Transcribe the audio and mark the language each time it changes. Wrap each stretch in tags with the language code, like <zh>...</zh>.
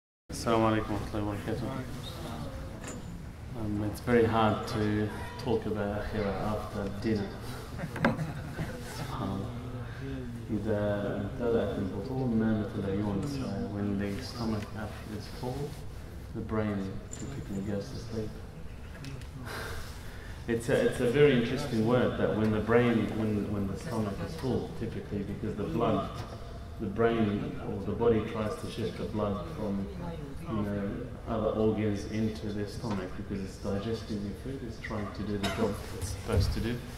<ar>السلام عليكم ورحمة الله وبركاته.</ar> <en>It's very hard to talk about akhira after dinner.</en> <ar>إذا امتلأت البطون نامت العيون.</ar> <en>So when the stomach after is full, the brain typically goes to sleep. It's a very interesting word that when the brain, when the stomach is full, typically because the blood, the brain or the body tries to shift the blood from, you know, other organs into their stomach because it's digesting the food, it's trying to do the job it's supposed to do.</en>